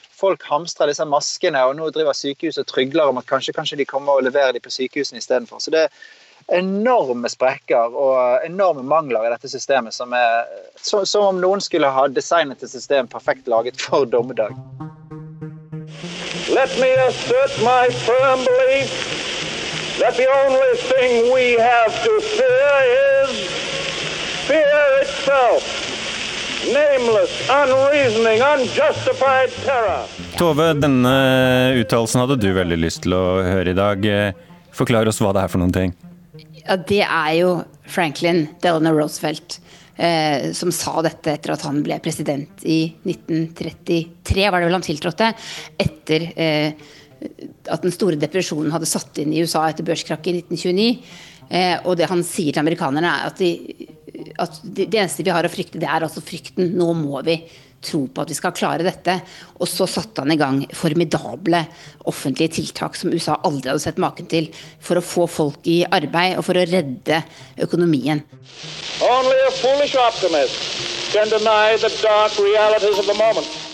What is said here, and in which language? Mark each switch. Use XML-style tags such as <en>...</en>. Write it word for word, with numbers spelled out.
<no>Folk hamstrer disse maskene, og nå driver sykehuset og trygler om at kanskje, kanskje de kommer og leverer de på sykehusene i stedet for. Så det enorme sprekker og enorme mangler i dette systemet, som er som, som om noen skulle ha designet et system perfekt laget for dommedag.</no> <en>Let me assert my firm belief that the only thing we have to fear is fear itself. Nameless, unreasoning, unjustified terror.</en> <no>Tove, denne uttalelsen hadde du veldig lyst til å høre i dag. Forklar oss hva det er for noen ting. Ja, det er jo Franklin Delano Roosevelt eh, som sa dette etter at han ble president i nitten trettitre, var det vel han tiltrådte, etter eh, at den store depresjonen hadde satt inn i U S A etter børskrakket i nitten tjueni. Eh, og det han sier til amerikanerne er at de at det eneste vi har å frykte, det er altså frykten. Nå må vi tro på at vi skal klare dette. Og så satte han i gang formidable offentlige tiltak som U S A aldri hadde sett maken til, for å få folk i arbeid og for å redde økonomien.</no> <en>Only a foolish optimist can deny the dark realities of the moment.</en>